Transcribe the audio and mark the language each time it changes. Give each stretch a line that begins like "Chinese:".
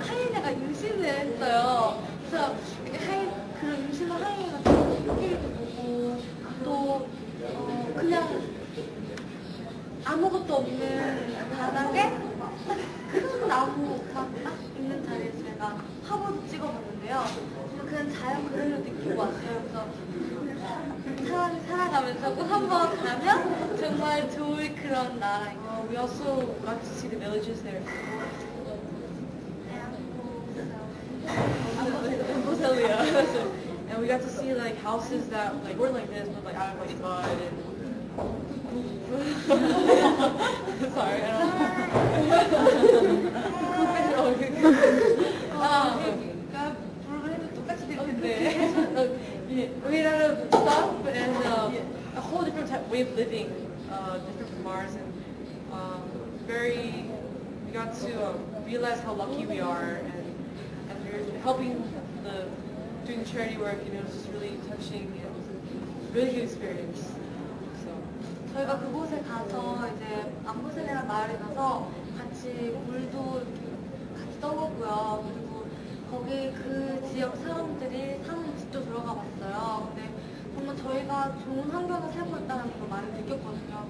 Korean: 하이에나가 임신을 했어요. 그래서 그런 임신한 하이에나 꽃게비도 보고 또 그냥 아무것도 없는 바닥에 큰 나무 딱 있는 자리에 제가 화보도 찍어봤는데요. 그냥 자연 그대로 느끼고 왔어요. 그래서 사람이 살아가면서 꼭 한번 가면 정말 좋을 그런 나라예요.
English: We also got to see the villages there.
Korean: 안보세요.
English: And we got to see like houses that like weren't like this, but like out of like mud and. Sorry, I don't know. We had a lot of stuff and a whole different type way of living, different from ours, and we got to realize how lucky we are, and we're helping doing charity work, you know, it's just really touching and really good experience.
Korean: 저희가 그곳에 가서 이제 암보셀이랑 마을에 가서 같이 물도 같이 떠보고요. 그리고 거기 그 지역 사람들이 사는 집도 들어가 봤어요. 근데 정말 저희가 좋은 환경을 살고 있다는 걸 많이 느꼈거든요.